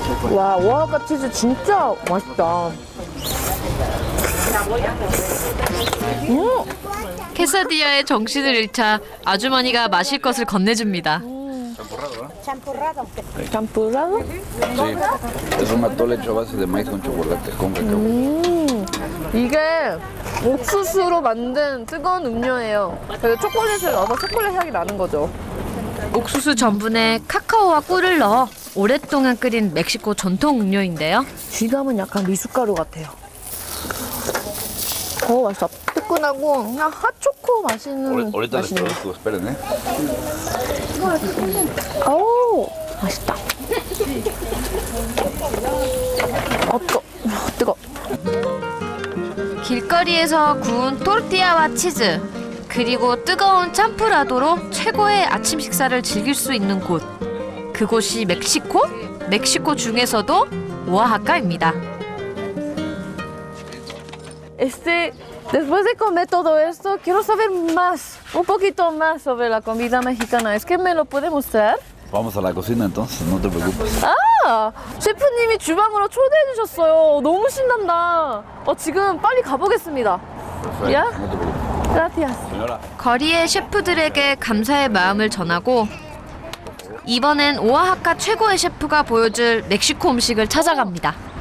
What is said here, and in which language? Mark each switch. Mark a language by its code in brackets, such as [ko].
[ko] 와, 오아카 치즈 진짜 맛있다. 케사디아의 정신을 잃자 아주머니가 마실 것을 건네줍니다. 샴푸라도? [es] Sí, es un atole hecho a base de maíz con chocolate, con cacao. [ko] 이게 옥수수로 만든 뜨거운 음료예요. 초콜릿을 넣어서 초콜릿 향이 나는 거죠. 옥수수 전분에 카카오와 꿀을 넣어 오랫동안 끓인 멕시코 전통 음료인데요. 쥐감은 약간 미숫가루 같아요. 오, 맛있어. 뜨끈하고 그냥 핫초코 맛있는 맛이네요. 오, 맛있다. 뜨거. 길거리에서 구운 토르티야와 치즈 그리고 뜨거운 참프라도로 최고의 아침 식사를 즐길 수 있는 곳. 그곳이 멕시코? 멕시코 중에서도 오아하카입니다. [es] Este, después de comer todo esto, quiero saber más, un poquito más sobre la comida mexicana. ¿Es que me lo puede mostrar? Vamos a la cocina entonces, no te preocupes. [ko] Ah, chef 님이 주방으로 초대해 주셨어요. 너무 신난다. 지금 빨리 가보겠습니다. [es] Ya. Gracias. [ko] 거리의 셰프들에게 감사의 마음을 전하고 이번엔 오아하카 최고의 셰프가 보여줄 멕시코 음식을 찾아갑니다.